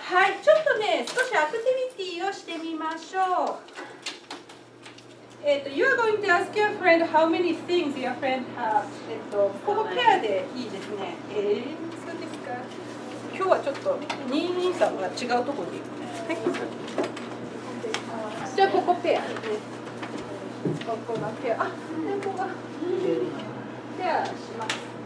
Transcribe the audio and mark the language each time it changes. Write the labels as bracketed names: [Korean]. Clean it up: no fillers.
[Japanese] はい、ちょっとね、少しアクティビティをしてみましょう。 [English] You are going to ask your friend how many things your friend has. [Japanese] このペアでいいですね。そうですか。今日はちょっと二人さんが違うところで。はい。じゃあここペア。ここがペア。あ、ここが。ペアします。